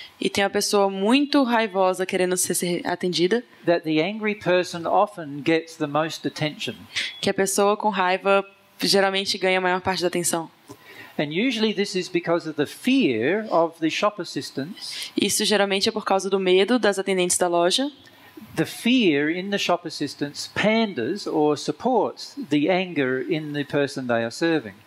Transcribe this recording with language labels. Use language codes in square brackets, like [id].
[pt] E tem uma pessoa muito raivosa querendo ser atendida. [en] That the angry person often gets the most attention. [pt] Que a pessoa com raiva geralmente ganha a maior parte da atenção. [en] And usually this is because of the fear of the shop assistants. [pt] Isso geralmente é por causa do medo das atendentes da loja. [en] The fear in the shop assistants panders or supports the anger in the person they are serving.